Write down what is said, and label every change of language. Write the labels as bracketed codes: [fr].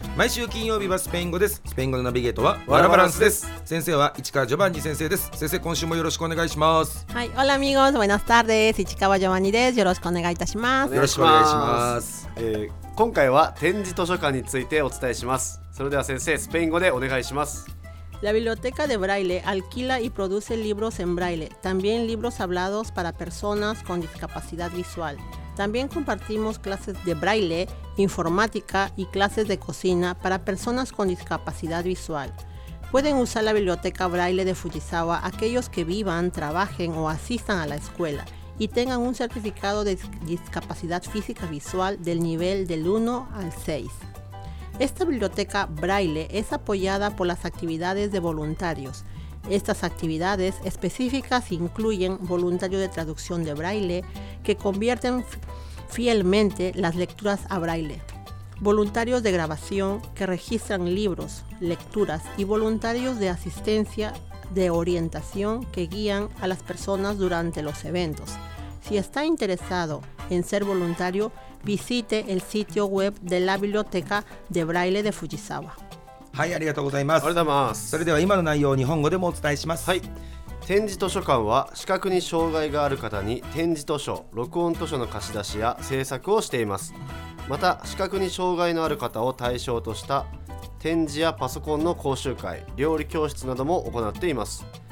[ja] 毎週金曜日はスペイン語です。スペイン語のナビゲートはワラバランスです。先生は市川ジョバンニ先生です。先生、今週もよろしくお願いします。はい、 [es] オラミゴス、ボナスタール [ja] です。市川ジョバンニです。よろしくお願いいたします。よろしくお願いします。今回は展示図書館についてお伝えします。それでは先生、スペイン語でお願いします。 [es] La biblioteca de Braille alquila y produce libros en Braille, también libros hablados para personas con discapacidad visual. También compartimos clases de Braille, informática y clases de cocina para personas con discapacidad visual. Pueden usar la biblioteca Braille de Fujisawa aquellos que vivan, trabajen o asistan a la escuela y tengan un certificado de discapacidad física visual del nivel del 1 al 6. Esta biblioteca Braille es apoyada por las actividades de voluntarios. Estas actividades específicas incluyen voluntarios de traducción de Braille que convierten fielmente las lecturas a Braille, voluntarios de grabación que registran libros, lecturas y voluntarios de asistencia de orientación que guían a las personas durante los eventos. Si está interesado en ser voluntario,visite el sitio web de la biblioteca de Braille de Fujisawa。 [ja] はい、ありがとうございます。ありがとうございます。それでは今の内容を日本語でもお伝えします。はい。展示図書館は視覚に障害がある方に展示図書、録音図書の貸し出しや制作をしています。また視覚に障害のある方を対象とした展示やパソコンの講習会、料理教室なども行っています。